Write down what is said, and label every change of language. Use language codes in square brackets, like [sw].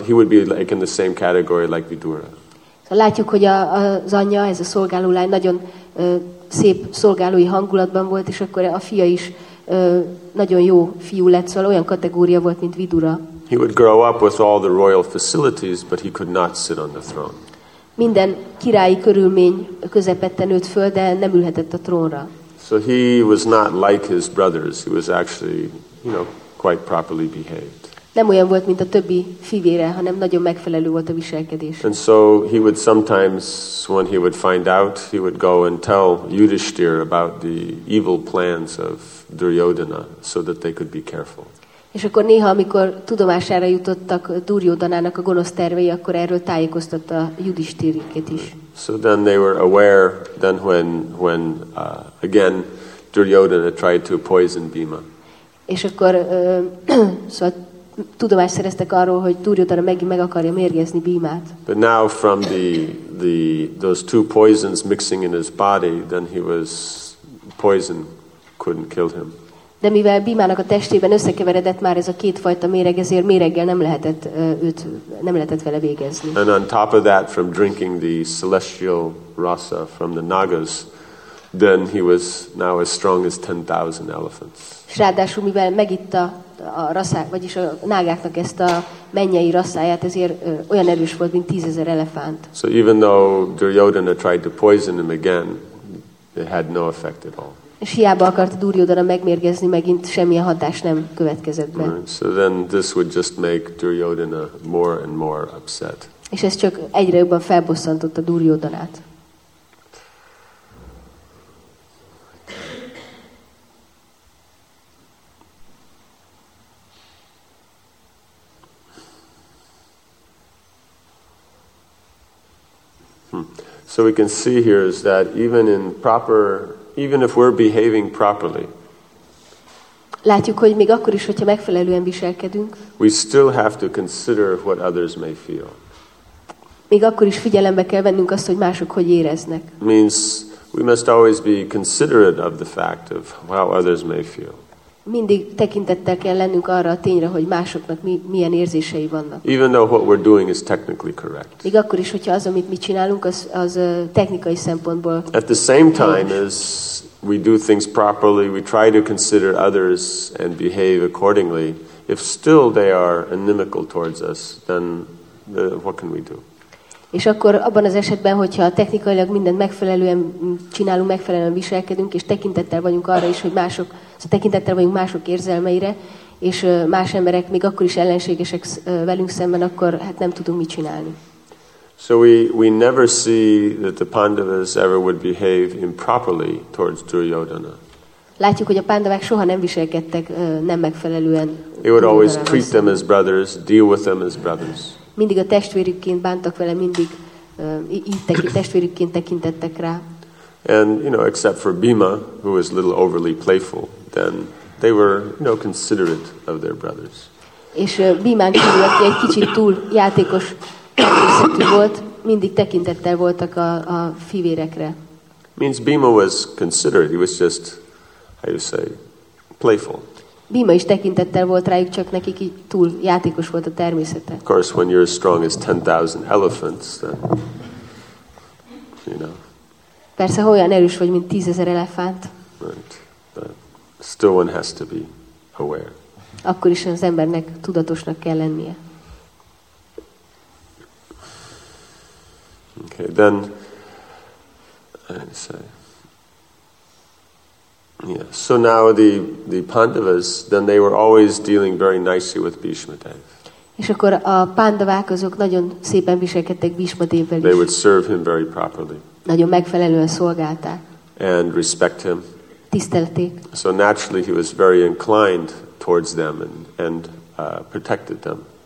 [en] He would be like in the same category like Vidura. [hu] So látjuk, hogy az anyja, ez a szolgáló lány nagyon szép szolgálói hangulatban volt, és akkor a fia is nagyon jó fiú lett, szóval olyan kategória volt, mint Vidura. [en] He would grow up with all the royal facilities, but he could not sit on the throne. [hu] Minden királyi körülmény közepette nőtt föl, de nem ülhetett a trónra. [en] So he was not like his brothers. He was actually, you know, quite properly behaved. [hu] Nem olyan volt, mint a többi fivére, hanem nagyon megfelelő volt a viselkedés. [en] And so he would sometimes, when he would find out, he would go and tell Yudhishthir about the evil plans of Duryodhana, so that they could be careful. [hu] És akkor néha, amikor tudomására jutottak Duryodhanának a gonosz tervei, akkor erről tájékoztatta Yudhishthirét is. [en] So then they were aware, then when again Duryodhana tried to poison Bhima. [hu] És akkor szóval tudomást szereztek arról, hogy Duryodhana megint meg akarja mérgezni Bhimát. [en] But now from those two poisons mixing in his body, then he was poisoned. Couldn't kill him. [hu] De mivel Bhimának a testében összekeveredett már ez a két fajta méreg, ezért méreggel nem lehetett vele végezni. [en] And on top of that, from drinking the celestial rasa from the Nagas, then he was now as strong as 10,000 elephants. [hu] S ráadásul, mivel megitta a rasszát, vagyis a nágáknak ezt a mennyei rasszáját, ezért olyan erős volt, mint 10,000 elefánt. [en] So even though Duryodhana tried to poison him again, it had no effect at all. [hu] És hiába akart Duryodhana megmérgezni, megint semmilyen hatás nem következett be. [en] Right. So then this would just make Duryodhana more and more upset. [hu] És ez csak egyre jobban felbosszantotta Duryodhanát. [en] So we can see here is that even in proper, even if we're behaving properly, [hu] látjuk, hogy még akkor is, hogyha megfelelően viselkedünk, [en] we still have to consider what others may feel. [hu] Még akkor is figyelembe kell vennünk azt, hogy mások hogy éreznek. [en] Means we must always be considerate of the fact of how others may feel. [hu] Mindig tekintettel kell lennünk arra a tényre, hogy másoknak milyen érzései vannak. [en] Even though what we're doing is technically correct. [hu] Még akkor is, hogyha az, amit mi csinálunk, az technikai szempontból. [en] At the same time as we do things properly, we try to consider others and behave accordingly. If still they are inimical towards us, then what can we do? [hu] És akkor abban az esetben, hogyha technikailag mindent megfelelően csinálunk, megfelelően viselkedünk, és tekintettel vagyunk arra is, hogy mások, szóval tekintettel vagyunk mások érzelmeire, és más emberek még akkor is ellenségesek velünk szemben, akkor hát nem tudunk mit csinálni. [en] So we never see that the Pandavas ever would behave improperly towards Duryodhana. [hu] Látjuk, hogy a pándavák soha nem viselkedtek nem megfelelően. [en] They would always treat them as brothers, deal with them as brothers. [hu] Mindig a testvérükként bántak vele, mindig testvérükként tekintettek rá. [en] And you know, except for Bhima, who was a little overly playful, then they were, you know, considerate of their brothers. [hu] És Bhimán kívül, aki egy kicsit túl játékos természetű volt, mindig tekintettel voltak a fivérekre. [en] Means Bhima was considerate. He was just, how you say, playful. [hu] Bhima is tekintettel volt rájuk, csak neki túl játékos volt a természete. [en] Of course, when you're as strong as 10,000 elephants, then, you know. [hu] Persze, olyan erős vagy, mint 10,000 elefánt. [en] Right. But still one has to be aware. [hu] Akkor is az embernek tudatosnak kell lennie. [en] Okay, then, let's say, yeah. So now the Pandavas, then they were always dealing very nicely with Bhishma Dev. [hu] És akkor a Pandavák azok nagyon szépen viselkedtek Bhishma Devvel is. [en] They would serve him very properly. [hu] Nagyon megfelelően szolgálták. [en] And respect him. [hu] Tisztelték. [en] So naturally he was very inclined towards them and protected them.